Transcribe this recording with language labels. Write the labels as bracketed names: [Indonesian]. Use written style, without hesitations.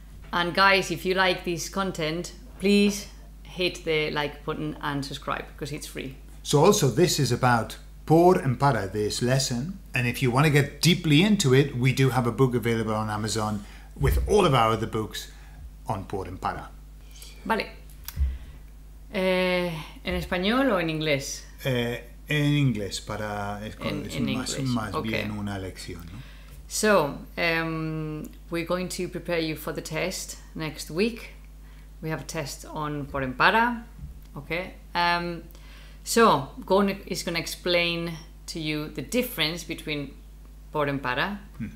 [English] And guys, if you like this content, please hit the like button and subscribe because it's free. So also, this is about por and para, this lesson. And if you want to get deeply into it, we do have a book available on Amazon with all of our other books on por and para. [Spanish] Vale. ¿En español o en inglés? En inglés, para es más bien una lección, ¿no? [English] So, we're going to prepare you for the test next week. We have a test on por and para, okay? So, Gon is going to explain to you the difference between por and para, mm-hmm.